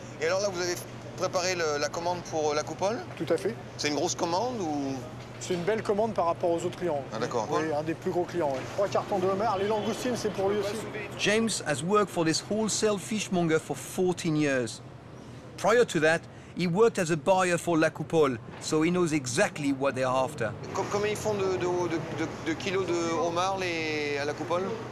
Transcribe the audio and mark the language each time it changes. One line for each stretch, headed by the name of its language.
French: Et alors là, vous avez préparé la commande pour la coupole? Tout à fait. C'est une grosse commande ou... C'est une belle commande par rapport aux autres clients. Ah, d'accord. Oui, un des plus gros clients, oui. Trois cartons de homard, les langoustines, c'est pour lui aussi.
English: James has worked for this wholesale fishmonger for 14 years. Prior to that, he worked as a buyer for La Coupole, so he knows exactly what they're after.
French: Combien ils font de kilos de homard à La Coupole?